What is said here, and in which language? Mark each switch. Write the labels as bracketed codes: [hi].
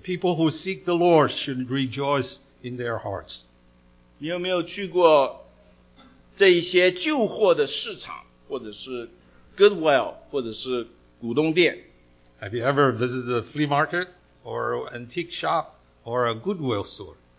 [en] people who seek the Lord should rejoice in their hearts. [zh] 你有没有去过这一些旧货的市场，或者是？ Goodwill, 或者是股东店。 [en] Have you ever visited a flea market or antique shop or a Goodwill store?